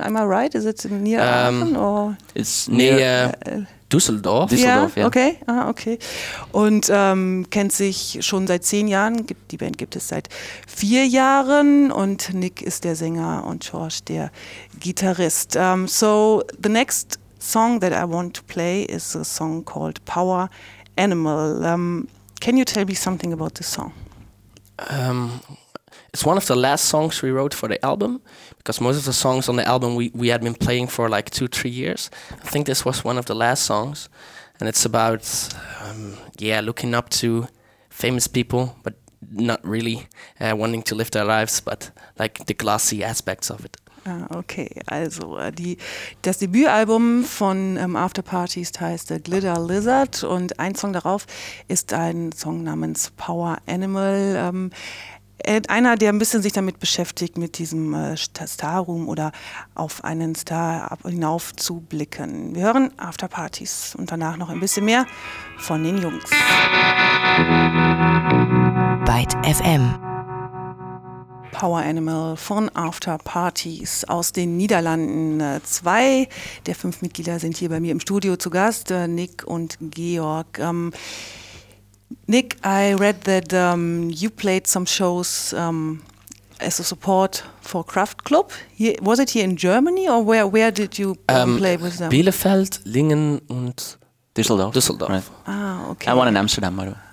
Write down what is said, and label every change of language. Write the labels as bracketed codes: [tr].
[en] Am I right? Is it near Aachen? Or it's near Düsseldorf. Okay. [de] Und kennt sich schon seit 10 Jahren, die Band gibt es seit 4 Jahren, und Nick ist der Sänger und George der Gitarrist. [en] So the next song that I want to play is a song called Power Animal. Can you tell me something about this song? It's one of the last songs we wrote for the album, because most of the songs on the album we had been playing for like 2-3 years. I think this was one of the last songs, and it's about looking up to famous people, but not really wanting to live their lives, but like the glossy aspects of it. [de] Ah, okay, also das Debütalbum von Afterpartees heißt Glitter Lizard, und ein Song darauf ist ein Song namens Power Animal. Einer, der ein bisschen sich damit beschäftigt, mit diesem Star-Room oder auf einen Star hinauf zu blicken. Wir hören Afterpartees und danach noch ein bisschen mehr von den Jungs. ByteFM. Power Animal von Afterpartees aus den Niederlanden. Zwei der 5 Mitglieder sind hier bei mir im Studio zu Gast, Nick und Georg. [en] Nick, I read that you played some shows as a support for Kraft Club. Was it here in Germany, or where did you play with them? [de] Bielefeld, Lingen und Düsseldorf. Düsseldorf. [en] Right. Ah, okay. I won in Amsterdam, by the way.